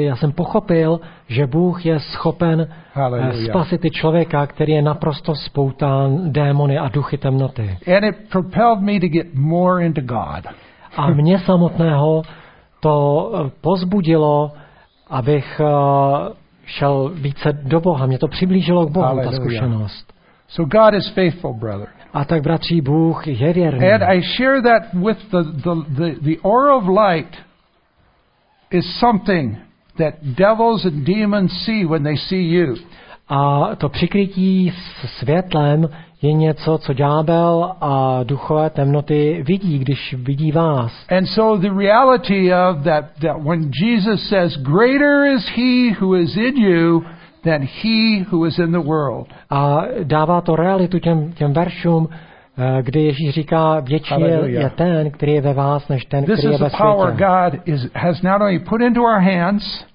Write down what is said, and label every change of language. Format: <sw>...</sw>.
<cs>Já jsem pochopil, že Bůh je schopen Hallelujah. Spasit i člověka, který je naprosto spoután démony a duchy temnoty.</cs> <en>And it propelled me to get more into God.</en> <cs>A mě samotného to pozbudilo, abych šel více do Boha. Mě to přiblížilo k Bohu, Hallelujah. Ta zkušenost.</cs> <en>So God is faithful, brother.</en> <cs>A tak, bratři, Bůh je věrný.</cs> <en>And I share that with the aura of light is something that devils and demons see when they see you.</en> <cs>A to přikrytí světlem je něco, co ďábel a duchové temnoty vidí, když vidí vás.</cs> <en>And so the reality of that when Jesus says greater is he who is in you than he who is in the world.</en> <cs>A dává to realitu těm veršům, kde Ježíš říká, větší je ten, který je ve vás, než ten, který je ve světě.</cs> <en>This is the power God has not only put into our hands.</en>